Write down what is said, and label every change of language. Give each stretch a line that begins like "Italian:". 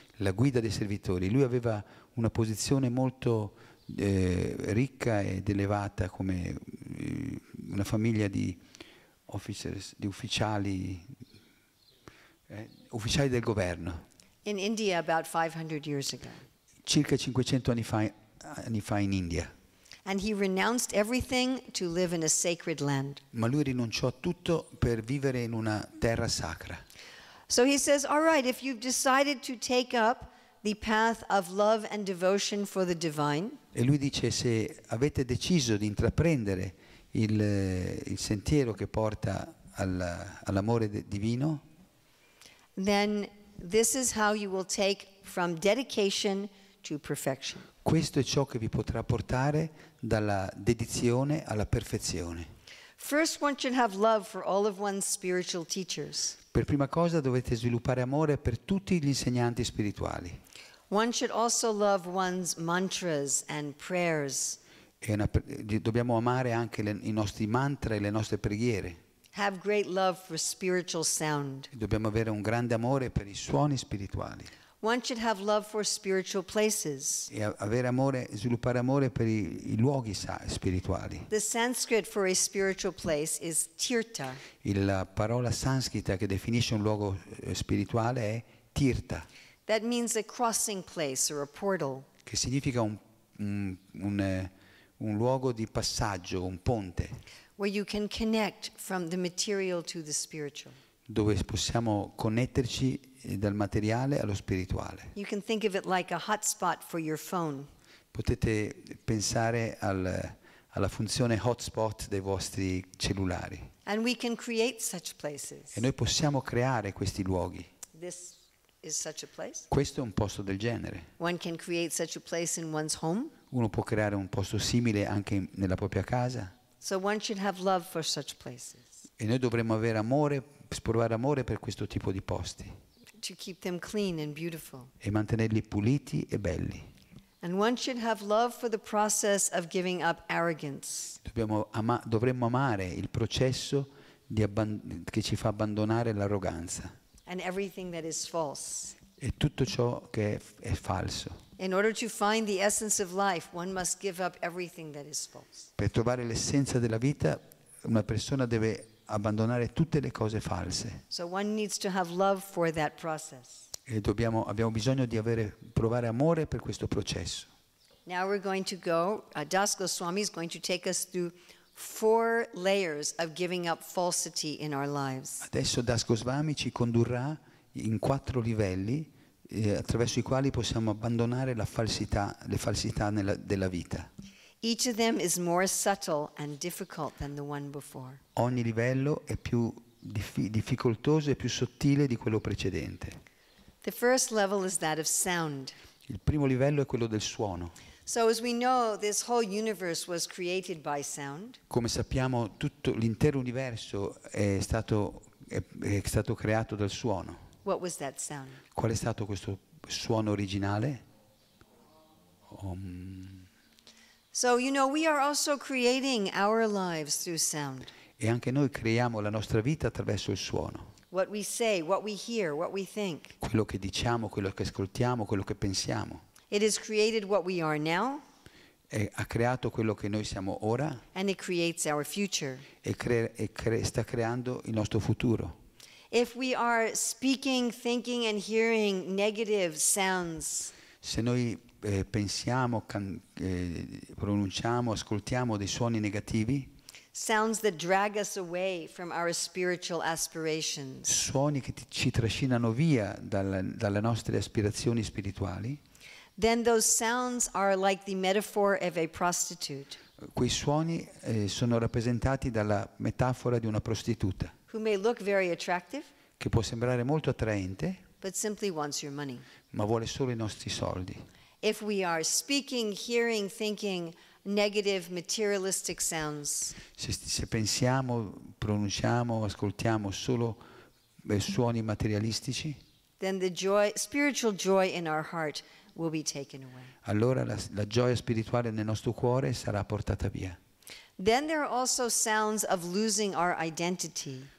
Italian: La guida dei servitori. Lui aveva una posizione molto ricca ed elevata come una famiglia di officers, di ufficiali, ufficiali del governo.
English: In India about 500 years ago.
Italian: Circa 500 anni fa in India.
English: And he renounced everything to live in a sacred land.
Italian: Ma lui rinunciò a tutto per vivere in una terra sacra.
English: So he says, all right, if you've decided to take up the path of love and devotion for the divine.
Italian: E lui dice, se avete deciso di intraprendere il sentiero che porta all'amore divino,
English: then this is how you will take from dedication to perfection.
Italian: Questo è ciò che vi potrà portare dalla dedizione alla perfezione.
English: First one should have love for all of one's spiritual teachers.
Italian: Per prima cosa dovete sviluppare amore per tutti gli insegnanti spirituali.
English: One should also love one's mantras and prayers.
Italian: Dobbiamo amare anche i nostri mantra e le nostre preghiere.
English: Have great love for spiritual sound.
Italian: Dobbiamo avere un grande amore per i suoni spirituali.
English: One should have love for spiritual places.
Italian: E avere amore, sviluppare amore per i luoghi spirituali.
English: The Sanskrit for a spiritual place is tirtha.
Italian: La parola sanscrita che definisce un luogo spirituale è tirtha.
English: That means a crossing place or a portal.
Italian: Che significa un luogo di passaggio, un ponte.
English: Where you can connect from the material to the spiritual.
Italian: Dove possiamo connetterci dal materiale allo spirituale.
English: You can think of it like a hotspot for your phone.
Italian: Potete pensare alla funzione hotspot dei vostri cellulari.
English: And we can create such places.
Italian: E noi possiamo creare questi luoghi.
English: This is such a place.
Italian: Questo è un posto del genere.
English: One can create such a place in one's home.
Italian: Uno può creare un posto simile anche nella propria casa.
English: So one should have love for such places.
Italian: E noi dovremmo avere amore, provare amore per questo tipo di posti.
English: To keep them clean and beautiful.
Italian: E mantenerli puliti e belli.
English: And one should have love for the process of giving up arrogance.
Italian: Dovremmo amare il processo che ci fa abbandonare l'arroganza.
English: And everything that is false.
Italian: E tutto ciò che è falso.
English: In order to find the essence of life, one must give up everything that is false.
Italian: Per trovare l'essenza della vita, una persona deve abbandonare tutte le cose false.
English: So one needs to have love for that process.
Italian: E abbiamo bisogno di provare amore per questo processo.
English: Now we're going to go. Das Goswami is going to take us through four layers of giving up falsity in our lives.
Italian: Adesso Das Goswami ci condurrà in quattro livelli attraverso i quali possiamo abbandonare le falsità della vita.
English: Each of them is more subtle and difficult than the one before.
Italian: Ogni livello è più difficoltoso e più sottile di quello precedente.
English: The first level is that of sound.
Italian: Il primo livello è quello del suono.
English: So as we know, this whole universe was created by sound.
Italian: Come sappiamo, tutto l'intero universo è stato creato dal suono.
English: What was that sound?
Italian: Qual è stato questo suono originale?
English: So you know, we are also creating our lives through sound.
Italian: E anche noi creiamo la nostra vita attraverso il suono.
English: What we say, what we hear, what we think.
Italian: Quello che diciamo, quello che ascoltiamo, quello che pensiamo.
English: It is created what we are now.
Italian: ha creato quello che noi siamo ora.
English: And it creates our future.
Italian: Sta creando il nostro futuro.
English: If we are speaking, thinking and hearing negative sounds.
Italian: Se noi pensiamo, pronunciamo, ascoltiamo dei suoni negativi.
English: Sounds that drag us away from our spiritual aspirations.
Italian: Suoni che ci trascinano via dalle nostre aspirazioni spirituali.
English: Then those sounds are like the metaphor of a prostitute.
Italian: Quei suoni sono rappresentati dalla metafora di una prostituta.
English: Who may look very attractive.
Italian: Che può sembrare molto attraente.
English: But simply wants your money.
Italian: Ma vuole solo i nostri soldi.
English: If we are speaking, hearing, thinking negative materialistic sounds.
Italian: Se pensiamo, pronunciamo, ascoltiamo solo suoni materialistici.
English: Then the joy, spiritual joy in our heart will be taken away.
Italian: Allora la gioia spirituale nel nostro cuore sarà portata via.
English: Then there are also sounds of losing our identity.